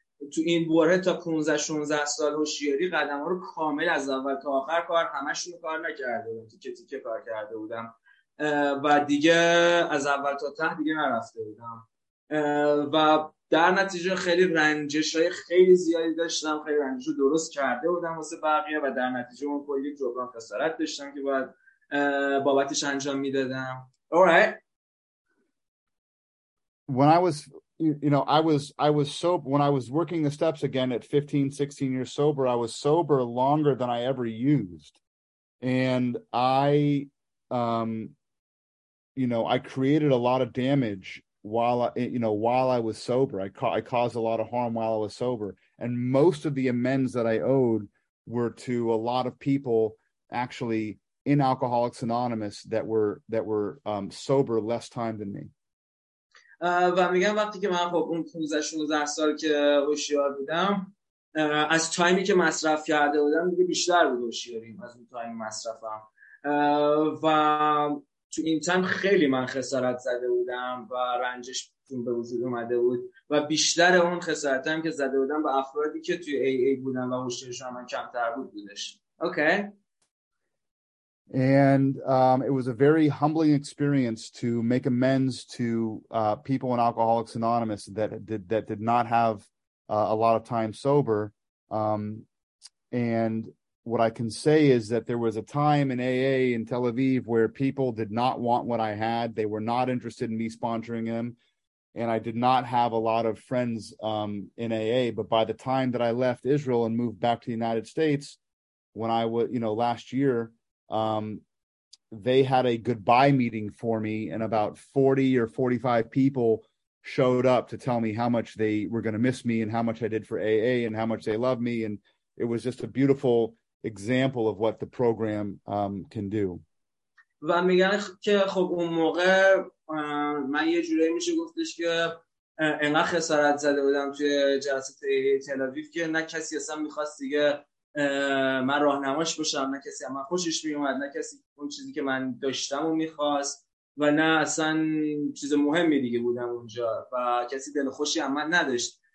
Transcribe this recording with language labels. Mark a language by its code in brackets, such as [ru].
[fa] تو این بره تا 15-16 سال هوشیاری قدم ها رو کامل از اول تا آخر کار همشون رو کار نکرده بودم، تیکه تیکه کار کرده بودم و دیگه از اول تا ته دیگه نرفته بودم و در نتیجه خیلی رنجش های خیلی زیادی داشتم، خیلی رنجش رو درست کرده بودم واسه بقیه و در نتیجه من کلی جبران خسارت داشتم که باید بابتش انجام میدادم. [en] Alright. When I was, you know, I was sober when I was working the steps again at 15, 16 years sober, I was sober longer than I ever used. And I, you know, I created a lot of damage while I was sober. I caused a lot of harm while I was sober. And most of the amends that I owed were to a lot of people actually in Alcoholics Anonymous that were sober less time than me. [fa] و میگم وقتی که من خب اون 15-16 سال که هوشیار بودم از تایمی که مصرف کرده بودم دیگه بیشتر بود هوشیاریم از اون تایم مصرفم و تو این تایم خیلی من خسارت زده بودم و رنجش به وجود اومده بود و بیشتر اون خسارتم که زده بودم به افرادی که توی ای ای بودن و هوشیارشون من کمتر بود بودش. [en] Okay. And it was a very humbling experience to make amends to people in Alcoholics Anonymous that did not have a lot of time sober. And what I can say is that there was a time in AA in Tel Aviv where people did not want what I had. They were not interested in me sponsoring them. And I did not have a lot of friends in AA. But by the time that I left Israel and moved back to the United States, when I was, you know, last year, they had a goodbye meeting for me and about 40 or 45 people showed up to tell me how much they were going to miss me and how much I did for AA and how much they love me. And it was just a beautiful example of what the program can do. [fa] و میگن که خب اون موقع من یه جوری میشه گفتش که انقدر خسارت زده بودم توی جلسه تل آویو که نه کسی اصلا میخواست دیگه من راهنماش باشم، نه کسی من خوشش میومد، نه کسی اون چیزی که من داشتم و میخواست و نه اصلا چیز مهمی دیگه بودم اونجا و کسی دل خوشی هم من نداشت.